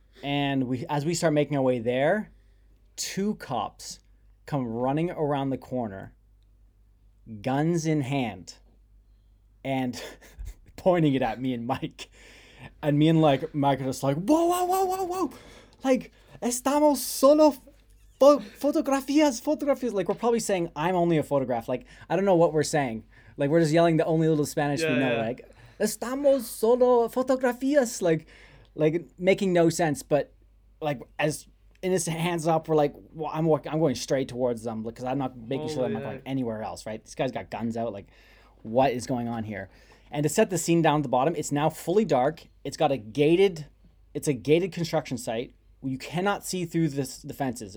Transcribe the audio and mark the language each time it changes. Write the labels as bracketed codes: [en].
[en] And as we start making our way there, two cops come running around the corner, guns in hand, and pointing it at me and Mike. And me and like Mike are just like, whoa, whoa, whoa, whoa, whoa. [es] Like, estamos solo fotografías. [en] Like, we're probably saying, I'm only a photograph. Like, I don't know what we're saying. Like, we're just yelling the only little Spanish we know. Yeah. [es] Like, estamos solo fotografías. [en] Like making no sense. But like, as in his hands up, we're like, well, I'm going straight towards them because I'm not making sure I'm not going anywhere else, right? This guy's got guns out. Like, what is going on here? And to set the scene down at the bottom, it's now fully dark. It's got a gated construction site. You cannot see through the fences.